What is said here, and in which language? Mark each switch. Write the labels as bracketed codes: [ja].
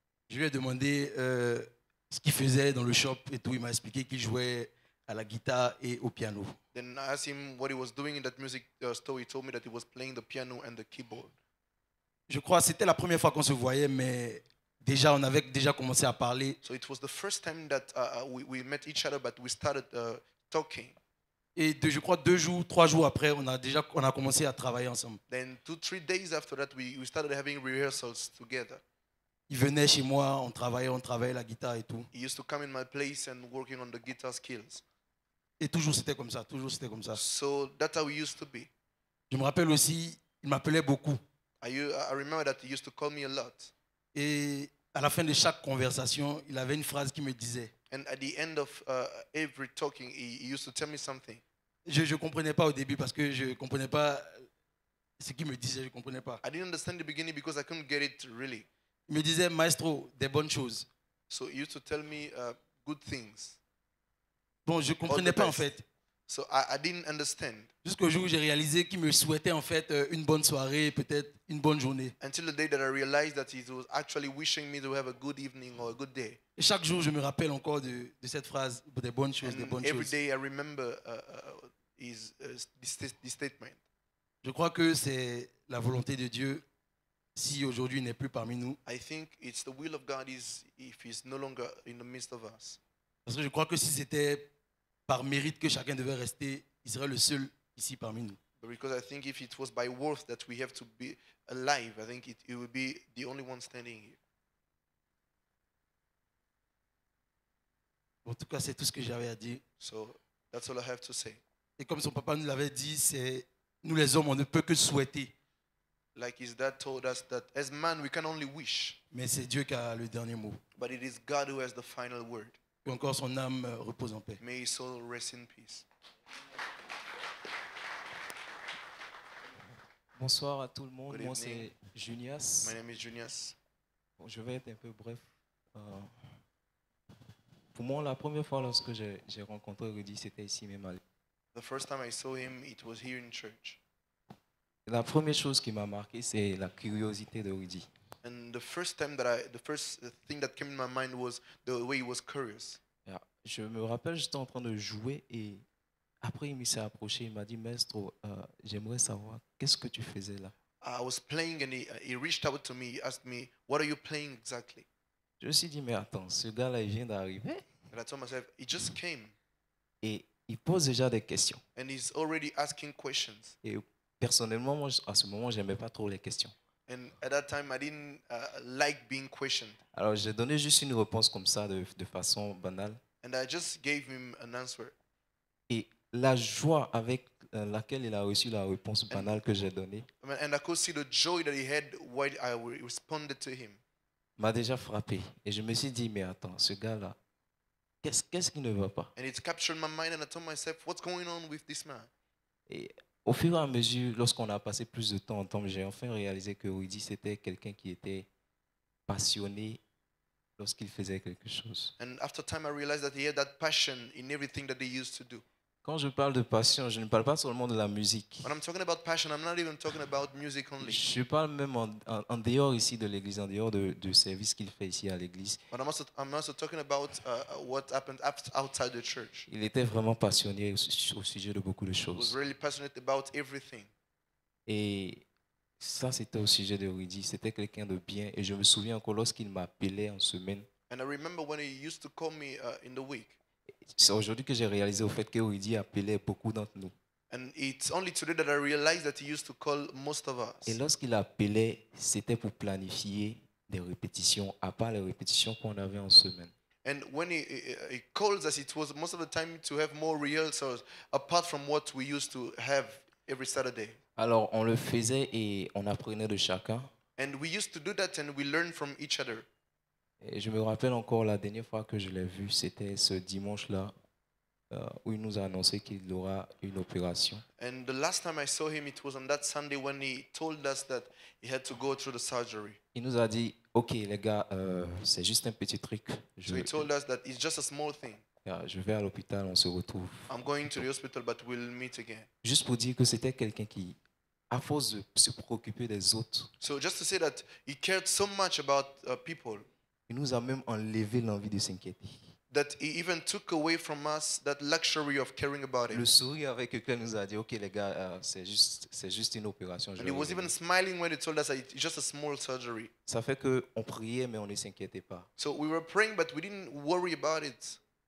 [fr] Je lui ai demandé ce qu'il faisait dans le shop et tout. Il m'a expliqué qu'il jouait à la guitare et au piano. [en] Then I asked him what he was doing in that music store. He told me that he was playing the piano and the keyboard. [fr] Je crois que c'était la première fois qu'on se voyait, mais déjà, on avait déjà commencé à parler. [en] So it was the first time that we met each other, but we started talking. [fr] Et je crois deux jours, trois jours après, on a commencé à travailler ensemble. [en] Then two, three days after that, we started having rehearsals together. [fr] Il venait chez moi, on travaillait la guitare et tout. [en] He used to come in my place and working on the guitar skills. [fr] Et toujours c'était comme ça. [en] So that's how we used to be. [fr] Je me rappelle aussi, il m'appelait beaucoup. [en] I remember that he used to call me a lot. [fr] Et à la fin de chaque conversation, il avait une phrase qui me disait. [en] And at the end of every talking, he used to tell me something. [fr] Je comprenais pas au début parce que je comprenais pas ce qu'il me disait. Je comprenais pas. [en] I didn't understand the beginning because I couldn't get it really. [fr] Il me disait, maestro, des bonnes choses. [en] So he used to tell me good things. [fr] Bon, je comprenais pas en fait. [en] So I didn't understand. [fr] Jusqu'au jour où j'ai réalisé qu'il me souhaitait en fait une bonne soirée, peut-être une bonne journée. [en] Until the day that I realized that he was actually wishing me to have a good evening or a good day. [fr] Et chaque jour, je me rappelle encore de cette phrase, des bonnes choses, [en] and [fr] des bonnes [en] every [fr] choses. [en] Every day I remember his this statement. [fr] Je crois que c'est la volonté de Dieu si aujourd'hui il n'est plus parmi nous. [en] I think it's the will of God is if he's no longer in the midst of us. [fr] Parce que je crois que si c'était par mérite que chacun devait rester, il serait le seul ici parmi nous. [en] Because I think if it was by worth that we have to be alive, I think it would be the only one standing here. [fr] En tout cas, c'est tout ce que j'avais à dire. [en] So that's all I have to say. [fr] Et comme son papa nous l'avait dit, c'est nous les hommes, on ne peut que souhaiter. [en] Like his dad told us that as man we can only wish. [fr] Mais c'est Dieu qui a le dernier mot. [en] But it is God who has the final word. [fr] Ou encore son âme repose en paix. [en] May his soul rest in peace. [fr] Bonsoir à tout le monde. Moi c'est Junias. [en] My name is Junias. [fr] Bon, je vais être un peu bref. Pour moi, la première fois lorsque j'ai rencontré Rudy, c'était ici même. [en] The first time I saw him, it was here in church. [fr] La première chose qui m'a marqué, c'est la curiosité de Rudy. [en] And the first thing that came in my mind was the way he was curious. Yeah. [fr] Je me rappelle, j'étais en train de jouer et après il s'est approché, il m'a dit, maître, j'aimerais savoir qu'est-ce que tu faisais là. [en] I was playing and he reached out to me, he asked me, what are you playing exactly? [fr] Je me suis dit, mais attends, ce gars-là, il vient d'arriver. [en] And I told myself, he just came. [fr] Et il pose déjà des questions. [en] And he's already asking questions. [fr] Et personnellement, moi, à ce moment, je n'aimais pas trop les questions. [en] And at that time, I didn't like being questioned. [fr] Alors, j'ai donné juste une réponse comme ça, de façon banale. [en] And I just gave him an answer. [fr] Et la joie avec laquelle il a reçu la réponse banale [en] and, [fr] que j'ai donnée. [en] And I could see the joy that he had while I responded to him. [fr] M'a déjà frappé et je me suis dit mais attends ce gars là qu'est-ce qui ne va pas? [en] And it captured my mind and I told myself what's going on with this man? [fr] Et au fur et à mesure lorsqu'on a passé plus de temps ensemble, j'ai enfin réalisé que Rudy c'était quelqu'un qui était passionné lorsqu'il faisait quelque chose. [en] And after time I realized that he had that passion in everything that he used to do. [fr] Quand je parle de passion, je ne parle pas seulement de la musique. [en] When I'm talking about passion, I'm not even talking about music only. [fr] Je parle même en dehors ici de l'église, en dehors du service qu'il fait ici à l'église. [en] But I'm also talking about what happened outside the church. [fr] Il était vraiment passionné au sujet de beaucoup de choses. [en] He was really passionate about everything. [fr] Et ça, c'était au sujet de Rudy. C'était quelqu'un de bien. Et je me souviens encore lorsqu'il m'appelait en semaine. [en] And I remember when he used to call me in the week. [fr] C'est aujourd'hui que j'ai réalisé au fait que Rudy appelait beaucoup d'entre nous. [en] And it's only today that I realized that he used to call most of us. [fr] Et lorsqu'il appelait, c'était pour planifier des répétitions, à part les répétitions qu'on avait en semaine. [en] And when he calls us, it was most of the time to have more rehearsals apart from what we used to have every Saturday. [fr] Alors on le faisait et on apprenait de chacun. [en] And we used to do that and we learned from each other. [fr] Et je me rappelle encore la dernière fois que je l'ai vu, c'était ce dimanche-là où il nous a annoncé qu'il aura une opération. [en] And the last time I saw him, it was on that Sunday when he told us that he had to go through the surgery. [fr] Il nous a dit, OK, les gars, c'est juste un petit truc. [en] So he told us that it's just a small thing. [fr] Yeah, je vais à l'hôpital, on se retrouve. [en] I'm going to the hospital, but we'll meet again. [fr] Juste pour dire que c'était quelqu'un qui, à force de se préoccuper des autres. [en] So just to say that he cared so much about people. [fr] Il nous a même enlevé l'envie de s'inquiéter. [en] That he even took away from us that luxury of caring about it. [fr] Le sourire avec lequel nous a dit, OK, les gars, c'est juste une opération. [en] And he was even smiling when he told us it's just a small surgery. [fr] Ça fait qu'on priait, mais on ne s'inquiétait pas. [en] So we were praying, but we didn't worry about it.